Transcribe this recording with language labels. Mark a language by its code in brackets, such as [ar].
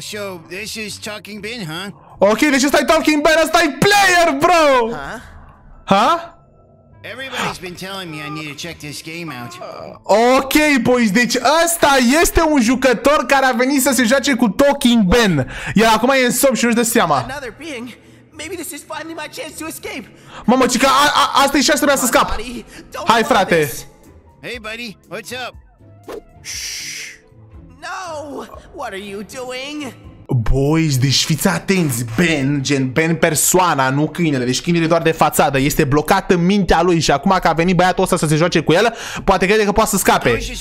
[en] So, this is Talking Ben, huh? [ro] Ok, deci ăsta-i Talking Ben, ăsta-i player, bro! Huh? Huh? [en] Everybody's been telling me I need to check this game out. [ro] Ok, boys, deci ăsta este un jucător care a venit să se joace cu Talking Ben. Iar acum e în somn și nu-și dă seama. [en] Another being. Maybe this is finally my chance to escape. [ro] Mamă, cica, asta e șansa mea să scap. Hai, frate. [en] Hey, buddy, what's up? No! What are you doing? [ro] Boys, deci fiți atenți, Ben, gen Ben persoana, nu câinele, deci câinele doar de fațadă, este blocat în mintea lui și acum că a venit băiatul ăsta să se joace cu el, poate crede că poate să scape.